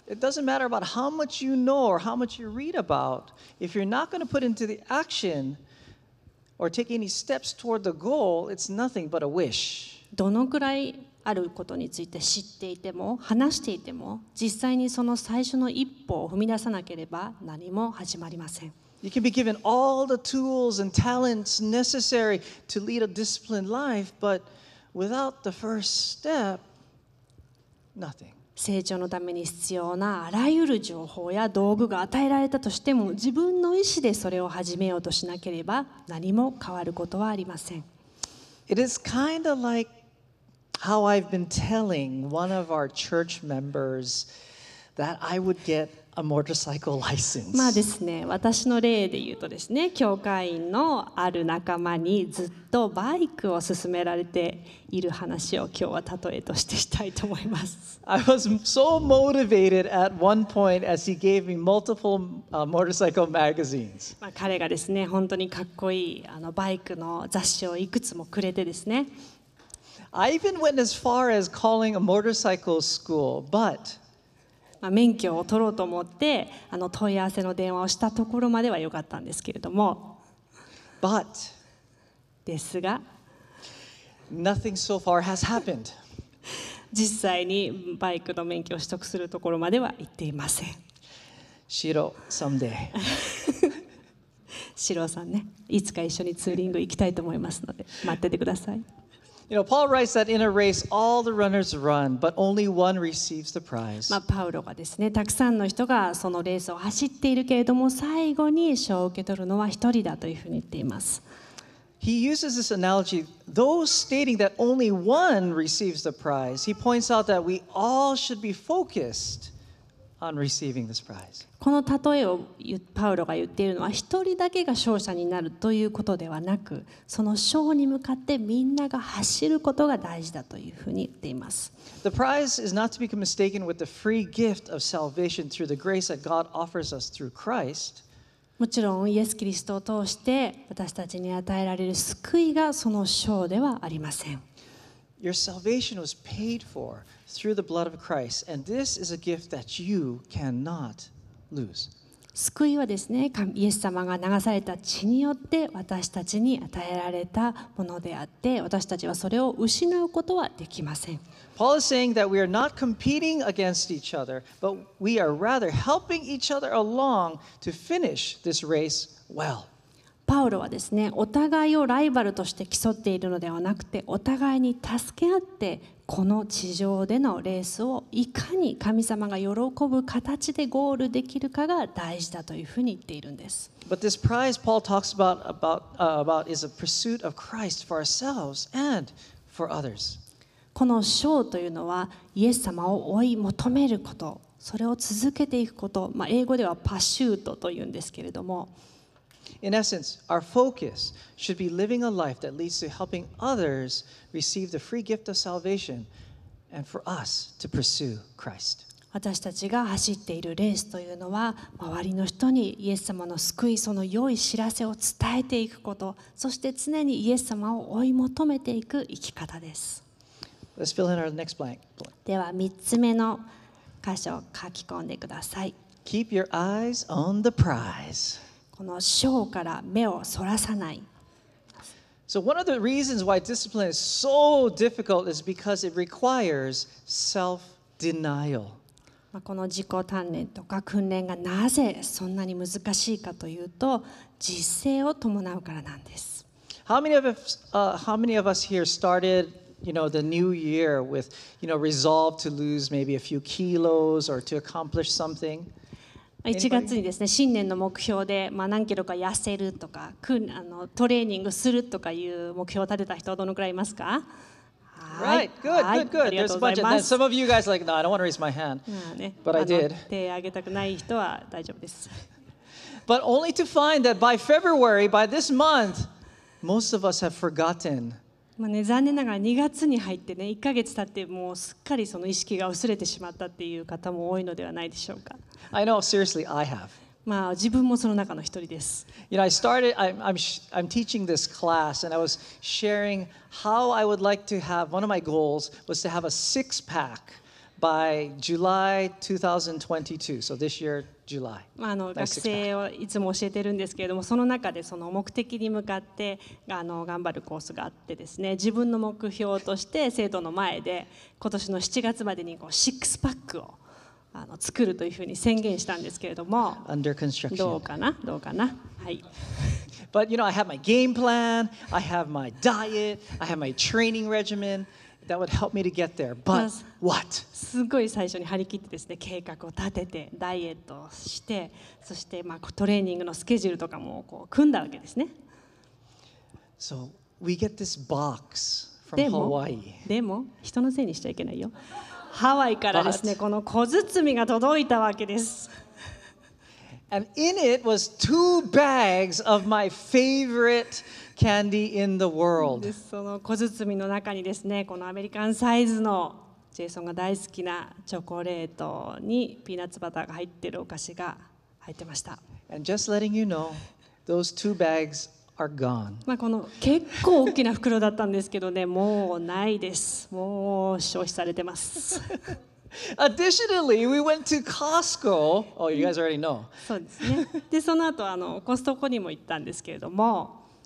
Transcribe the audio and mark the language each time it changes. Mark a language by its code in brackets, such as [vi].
[en] It doesn't matter about how much you know or how much you read about. If you're not going to put into the action or take any steps toward the goal, it's nothing but a wish. [ja] どのくらいあることについて知っていても話していても、実際にその最初の一歩を踏み出さなければ何も始まりません。 [en] You can be given all the tools and talents necessary to lead a disciplined life, but Without the first step, nothing. [ja] 成長のために必要なあらゆる情報や道具が与えられたとしても、自分の意思でそれを始めようとしなければ、何も変わることはありません。 [en] It is kind of like how I've been telling one of our church members that I would get a motorcycle license. [ja] まあですね、私の例で言うとですね、教会員のある仲間にずっとバイクを勧められている話を今日は例えとしてしたいと思います。 [en] I was so motivated at one point as he gave me multiple motorcycle magazines. [ja] まあ彼がですね、本当にかっこいいあのバイクの雑誌をいくつもくれてですね。 [en] I even went as far as calling a motorcycle school, but [ja] まあ、免許を取ろうと思ってあの問い合わせの電話をしたところまではよかったんですけれども [en] But [ja] ですが [en] Nothing so far has happened [ja] 実際にバイクの免許を取得するところまでは行っていません [en] シロ、someday [ja] シロさんね、いつか一緒にツーリング行きたいと思いますので待っててください [en] You know, Paul writes that in a race, all the runners run, but only one receives the prize. [ja] まあ、パウロがですね、たくさんの人がそのレースを走っているけれども、最後に賞を受け取るのは一人だというふうに言っています。 [en] He uses this analogy, those stating that only one receives the prize, he points out that we all should be focused on receiving this prize. [ja] この例えをパウロが言っているのは一人だけが勝者になるということではなくその勝に向かってみんなが走ることが大事だというふうに言っています [en] The prize is not to be mistaken with the free gift of salvation through the grace that God offers us through Christ [ja] もちろんイエス・キリストを通して私たちに与えられる救いがその勝ではありません [en] Your salvation was paid for through the blood of Christ and this is a gift that you cannot lose. [ja] 救いはですね、イエス様が流された血によって私たちに与えられたものであって、私たちはそれを失うことはできません。 [en] Paul is saying that we are not competing against each other, but we are rather helping each other along to finish this race well. [ja] パウロはですね、お互いをライバルとして競っているのではなくて、お互いに助け合って、この地上でのレースをいかに神様が喜ぶ形でゴールできるかが大事だというふうに言っているんです。 [en] But this prize Paul talks about is a pursuit of Christ for ourselves and for others. [ja] この賞というのは、イエス様を追い求めること、それを続けていくこと、まあ、英語ではパシュートというんですけれども、 [en] In essence, our focus should be living a life that leads to helping others receive the free gift of salvation and for us to pursue Christ. [ja] 私たちが走っているレースというのは、周りの人にイエス様の救い、その良い知らせを伝えていくこと、そして常にイエス様を追い求めていく生き方です。 [en] Let's fill in our next blank. [ja] では3つ目の箇所を書き込んでください。 [en] Keep your eyes on the prize. [ja] この賞から目をそらさない。 [en] So one of the reasons why discipline is so difficult is because it requires self-denial. [ja] この自己鍛錬とか訓練がなぜそんなに難しいかというと、自制を伴うからなんです。 [en] How many of us here started, you know, the new year with, you know, resolve to lose maybe a few kilos or to accomplish something? [ja] 1月にですね、新年の目標で、まあ、何キロか痩せるとか、トレーニングするとかいう目標を立てた人はどのくらいいますか？はい、 [en] good, good, good. There's a bunch of that. Some of you guys are like, no, I don't want to raise my hand. But I did. [ja] 手を挙げたくない人は大丈夫です。 [en] But only to find that by February, by this month, most of us have forgotten. [ja] まあね、残念ながら2月に入ってね、1ヶ月経ってもうすっかりその意識が薄れてしまったっていう方も多いのではないでしょうか。 [en] I know, seriously, I have. [ja] まあ自分もその中の一人です。 [en] You know, I started, I'm teaching this class and I was sharing how I would like to have, one of my goals was to have a six pack by July 2022, so this year, [ja] まあ、あの学生をいつも教えてるんですけれども、その中でその目的に向かって頑張るコースがあってですね、自分の目標として生徒の前で今年の7月までにこう6パックを作るというふうに宣言したんですけれども、 [en] Under construction. [ja] どうかな、どうかな、はい。 [en] But you know, I have my game plan, I have my diet, I have my training regimen. That would help me to get there. But what? [ja] すごい最初に張り切ってですね、計画を立ててダイエットをして、そしてまあトレーニングのスケジュールとかもこう組んだわけですね。 [en] So we get this box from Hawaii. [ja] でも人のせいにしちゃいけないよ。ハワイからですね、この小包みが届いたわけです。 [en] And in it was two bags of my favorite candy in the world. [ja] その小包みの中にですね、このアメリカンサイズのジェイソンが大好きなチョコレートにピーナッツバターが入ってるお菓子が入ってました。 [en] And just letting you know, those two bags are gone. [ja] まあこの結構大きな袋だったんですけどね、もうないです。もう消費されてます。 [en] Additionally, we went to Costco. Oh, you guys already know. [ja] そうですね。で、その後あのコストコにも行ったんですけれども。